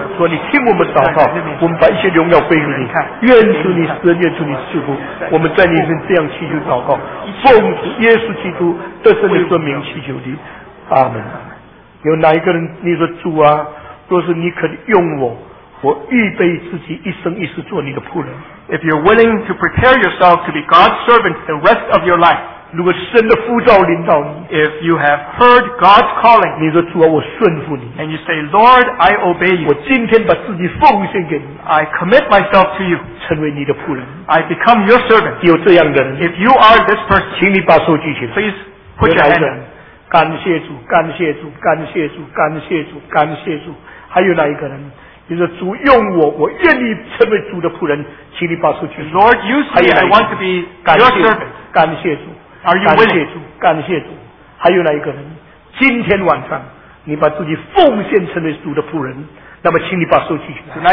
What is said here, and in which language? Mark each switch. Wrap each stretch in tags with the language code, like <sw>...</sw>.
<zh>说你听我们祷告，我们把一些荣耀归于你。愿主你施恩，愿主你赐福。我们在你身这样祈求祷告，奉主耶稣基督得胜的尊名祈求的，阿门。有哪一个人你说主啊，若是你肯用我，我预备自己一生一世做你的仆人。</zh> <en>If you're willing to prepare yourself to be God's servant the rest of your life,</en> <zh>如果神的呼召临到你，</zh> <en>If you have heard God's calling,</en> <zh>你说主啊，我顺服你。</zh> <en>And you say, Lord, I obey you.</en> <zh>我今天把自己奉献给你。</zh> <en>I commit myself to you.</en> <zh>成为你的仆人。</zh> <en>I become your servant.</en> <zh>有这样的人。</zh> <en>If you are this person,</en> <zh>请你把手举起来。</zh> <en>Please put your hand up.</en> <zh>感谢主，感谢主，感谢主，感谢主，感谢主。还有哪一个人？你说主用我，我愿意成为主的仆人，请你把手举起来。</zh> <en>Lord, use me. I want to be your servant.</en> <zh>感谢主。</zh> <en>Are you willing?</en> <zh>感谢主，感谢主。还有哪一个人？今天晚上，你把自己奉献成为主的仆人，那么请你把手举起来。</zh>